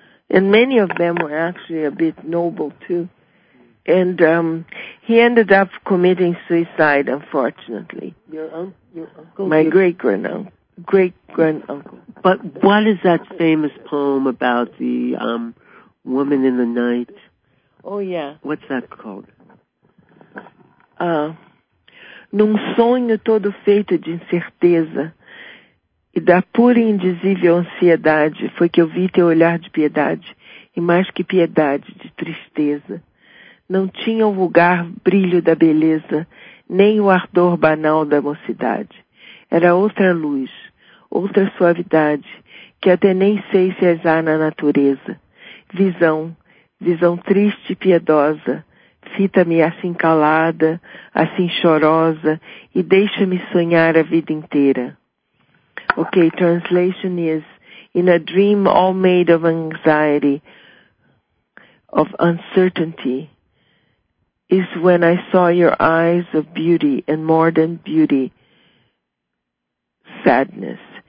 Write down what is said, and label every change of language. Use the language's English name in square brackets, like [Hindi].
[English] And many of them were actually a bit noble, too. And he ended up committing suicide, unfortunately. My great-grand-uncle. But what is that famous poem about the woman in the night? Oh, yeah. What's that called? [Portuguese] Num sonho todo feito de incerteza e da pura e indizível ansiedade, foi que eu vi teu olhar de piedade e mais que piedade, de tristeza. Não tinha o vulgar brilho da beleza, nem o ardor banal da mocidade. Era outra luz, outra suavidade, que até nem sei se há na natureza. Visão, visão triste e piedosa, fita-me assim calada, assim chorosa, e deixa-me sonhar a vida inteira. [English] Ok, translation is, in a dream all made of anxiety, of uncertainty, is when I saw your eyes of beauty, and more than beauty, sadness.